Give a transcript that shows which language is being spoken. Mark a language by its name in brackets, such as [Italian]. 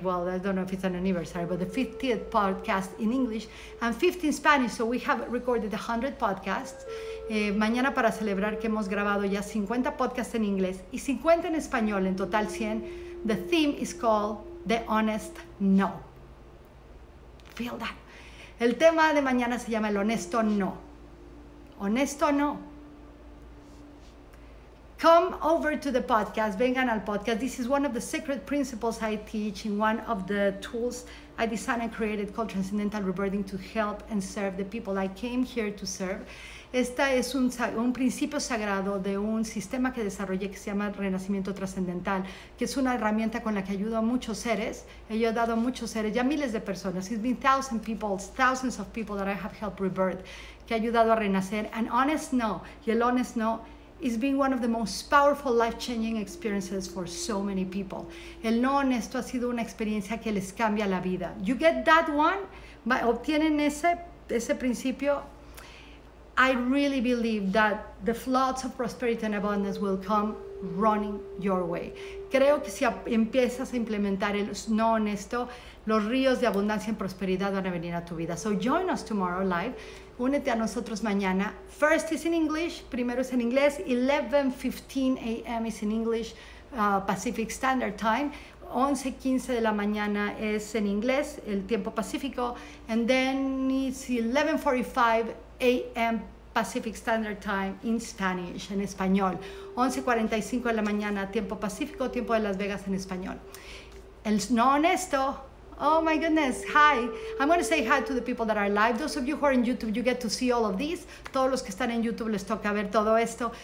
[English] Well, I don't know if it's an anniversary, but the 50th podcast in English and 50 in Spanish. So we have recorded 100 podcasts. [Spanish] Mañana para celebrar que hemos grabado ya 50 podcasts en inglés y 50 en español, en total 100. [English] The theme is called The Honest No. Feel that. [Spanish] El tema de mañana se llama el honesto no. Honesto no. [English] come over to the podcast, [Spanish] vengan al podcast. [English] This is one of the secret principles I teach in one of the tools I designed and created called Transcendental Rebirthing to help and serve the people I came here to serve. [Spanish] Esta es un principio sagrado de un sistema que desarrollé que se llama Renacimiento Trascendental, que es una herramienta con la que ayudo a muchos seres. Yo he dado a muchos seres, ya miles de personas. [English] It's been thousands of people that I have helped rebirth, [Spanish] que ha ayudado a renacer. [English] And honest no, [Spanish] y el honest no, [English] it's been one of the most powerful life-changing experiences for so many people. [Spanish] El no honesto ha sido una experiencia que les cambia la vida. [English] You get that one, [Spanish] obtienen ese principio, [English] I really believe that the floods of prosperity and abundance will come running your way. [Spanish] Creo que si empiezas a implementar el no honesto, los ríos de abundancia y prosperidad van a venir a tu vida. [English] So join us tomorrow live. [Spanish] Únete a nosotros mañana. [English] First is in English. [Spanish] Primero es en inglés. [English] 11:15 a.m. is in English, Pacific Standard Time. [Spanish] 11:15 de la mañana es en inglés, el tiempo pacífico. [English] And then it's 11:45 a.m. Pacific Standard Time in Spanish, [Spanish] en español. 11:45 de la mañana, tiempo pacífico, tiempo de Las Vegas en español. El no honesto. [English] Oh my goodness, hi. I'm gonna say hi to the people that are live. Those of you who are in YouTube, you get to see all of these. [Spanish] Todos los que están en YouTube les toca ver todo esto.